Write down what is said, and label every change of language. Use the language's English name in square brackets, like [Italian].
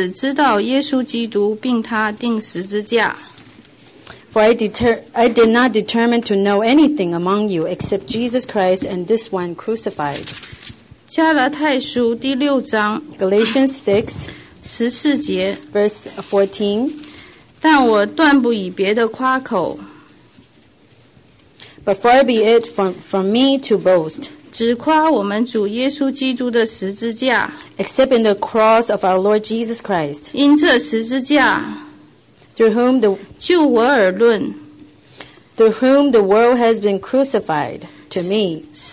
[Chinese] 因为我曾定了主意，在你们中间不知道别的，只知道耶稣基督并他钉十字架。 [English] For I did not determine to know anything among you except Jesus Christ and this one crucified. [Chinese] 加拉太书第六章, [English] Galatians 6, [Chinese] 14节, [English] verse 14. [Chinese] 但我断不以别的夸口, [English] but far be it from me to boast, [Chinese] 只夸我们主耶稣基督的十字架, [English] except in the cross of our Lord Jesus Christ. [Chinese] 因这十字架, [English] Through whom the world has been crucified to me.